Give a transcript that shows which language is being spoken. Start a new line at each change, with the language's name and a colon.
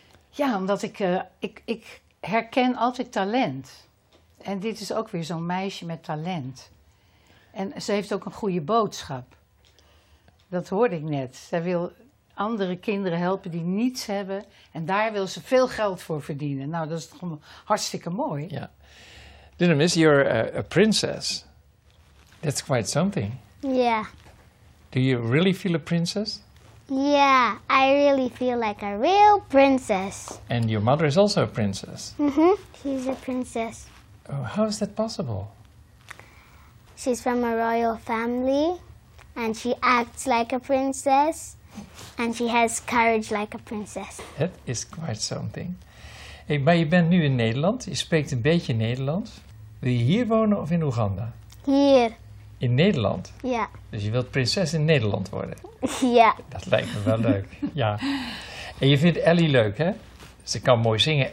Dutch: Ja, omdat ik herken altijd talent. En dit is ook weer zo'n meisje met talent. En ze heeft ook een goede boodschap. Dat hoorde ik net. Zij wil andere kinderen helpen die niets hebben. En daar wil ze veel geld voor verdienen. Nou, dat is toch hartstikke mooi. Ja.
English: Dinah Miss, you're a princess. That's quite something. Yeah. Do you really feel a princess? Yeah, I really feel like a real princess. And your mother is also a princess. Mm-hmm. She's a princess. Oh, how is that possible? She's from a royal family. And she acts like a princess, and she has courage like a princess. That is quite something.
Dutch: Hey, maar je bent nu in Nederland, je spreekt een beetje Nederlands. Wil je hier wonen of in Oeganda? Hier. In Nederland? Ja. Dus je wilt prinses in Nederland worden? Ja. Dat lijkt me wel leuk, ja. En je vindt Ellie leuk, hè? Ze kan mooi zingen.